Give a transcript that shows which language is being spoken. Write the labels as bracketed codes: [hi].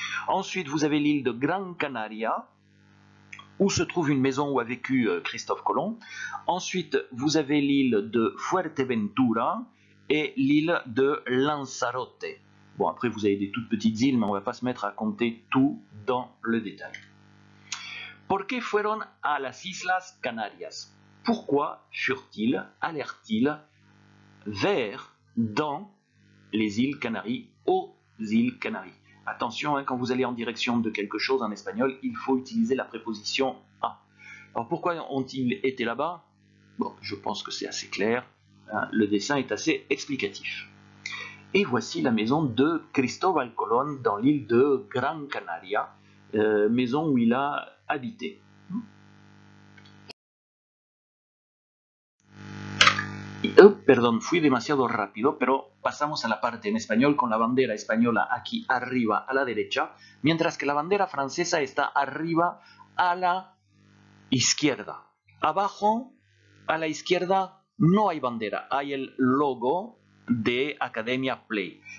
[fr] Ensuite, vous avez l'île de Gran Canaria, où se trouve une maison où a vécu Christophe Colomb. Ensuite, vous avez l'île de Fuerteventura et l'île de Lanzarote. Bon, après, vous avez des toutes petites îles, mais on ne va pas se mettre à compter tout dans le détail. [es] ¿Por qué fueron a las Islas Canarias? [fr] Pourquoi furent-ils, allèrent-ils vers, dans les îles Canaries, aux îles Canaries? Attention, hein, quand vous allez en direction de quelque chose en espagnol, il faut utiliser la préposition « à ». Alors pourquoi ont-ils été là-bas? Bon, je pense que c'est assez clair, hein, le dessin est assez explicatif. Et voici la maison de Cristóbal Colón dans l'île de Gran Canaria, maison où il a habité. [es] Perdón, fui demasiado rápido, pero pasamos a la parte en español con la bandera española aquí arriba a la derecha, mientras que la bandera francesa está arriba a la izquierda. Abajo, a la izquierda, no hay bandera, hay el logo de Academia Play.